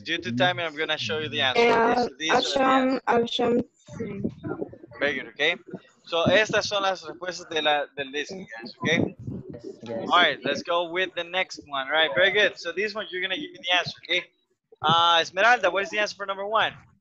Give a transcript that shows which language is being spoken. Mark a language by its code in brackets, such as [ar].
[en] Due to timing, I'm going to show you the answer. Option three. Very good, okay? [es] So, estas son las respuestas de la del listening, guys, okay? [en] Yes. All right, let's go with the next one. All right, very good. So, this one, you're going to give me the answer, okay? Esmeralda, what is the answer for number one?